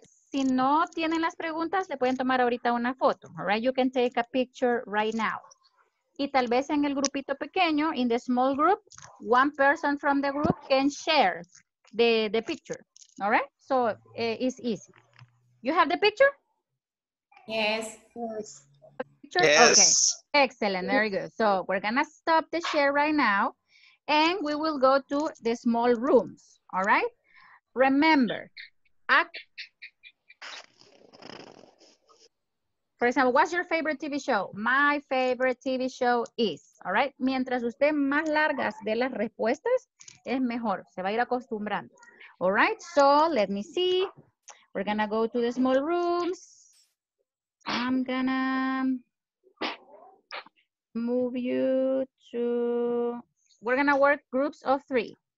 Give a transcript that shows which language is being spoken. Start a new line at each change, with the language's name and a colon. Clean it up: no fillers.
Spanish: Si no tienen las preguntas, le pueden tomar ahorita una foto.
English: All right. You can take a picture right now.
Spanish: Y tal vez en el grupito pequeño,
English: in the small group, one person from the group can share the picture. All right. So it's easy. You have the picture? Yes. Yes. Yes. Okay. Excellent. Very good. So we're going to stop the share right now and we will go to the small rooms. All right. Remember, for example, what's your favorite TV show? My favorite TV show is. All right.
Spanish: Mientras usted más largas de las respuestas, es mejor. Se va a ir acostumbrando.
English: All right. So let me see. We're going to go to the small rooms. I'm going to move you to, we're gonna work groups of three.